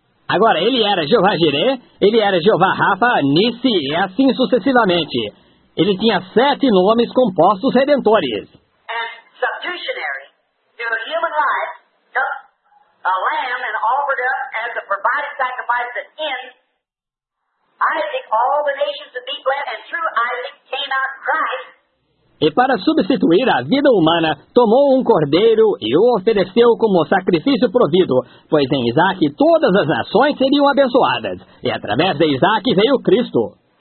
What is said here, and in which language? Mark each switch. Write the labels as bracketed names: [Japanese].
[Portuguese] Agora, ele era Jeová Jireh, ele era Jeová Rafa, Nissi e assim sucessivamente. Ele tinha 7 nomes compostos redentores. [English] And substitutionary to human life, took a lamb and offered up as a provided sacrifice that in Isaac all the nations would be blessed, and through Isaac came out Christ. [Portuguese] E para substituir a vida humana, tomou um cordeiro e o ofereceu como sacrifício provido, pois em Isaac todas as nações seriam abençoadas. E através de Isaac veio Cristo.